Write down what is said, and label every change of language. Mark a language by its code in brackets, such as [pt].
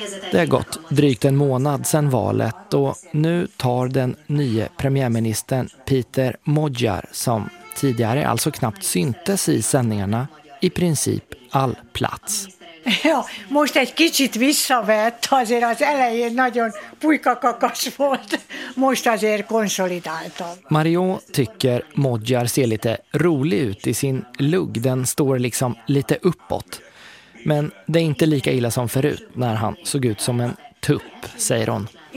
[sv] Det har gått drygt en månad sedan valet och nu tar den nye premiärministern Peter Modjar, som tidigare alltså knappt syntes i sändningarna, i princip all plats. [hu] Ja, most egy kicsit visszavett, azért az elején nagyon pulykakakas volt, most azért konsolidáltam. [sv] Mario tycker Modjar ser lite rolig ut i sin lugg, den står liksom lite uppåt. Men det är inte lika illa som förut när han såg ut som en tupp, säger hon.